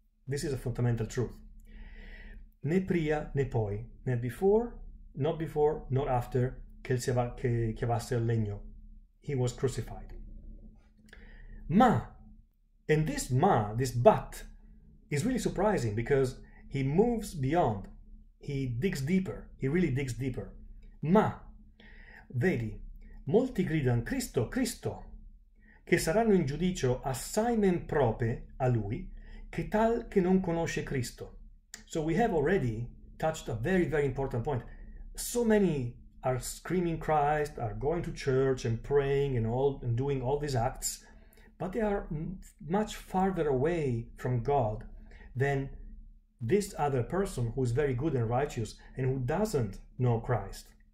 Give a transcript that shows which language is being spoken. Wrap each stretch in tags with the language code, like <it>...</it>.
<en>This is a fundamental truth.</en> <it>Né pria, né poi, né</it> <en>before, not after,</en> <it>che chiavasse il legno.</it> <en>He was crucified. Ma, and this ma, this but, is really surprising because he moves beyond. He digs deeper. He really digs deeper.</en> <it>Ma, vedi, molti gridan Cristo, Cristo, che saranno in giudicio assai men prope a lui che tal che non conosce Cristo.</it> <en>So we have already touched a very, very important point. So many are screaming Christ, are going to church and praying and all and doing all these acts, but they are much farther away from God than this other person who is very good and righteous and who doesn't know Christ.</en>